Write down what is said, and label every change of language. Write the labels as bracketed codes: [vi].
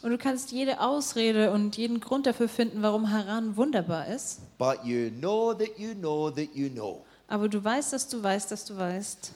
[de] Und du kannst jede Ausrede und jeden Grund dafür finden, warum Haran wunderbar ist. [en] But you know that you know that you know. [de] Aber du weißt, dass du weißt, dass du weißt.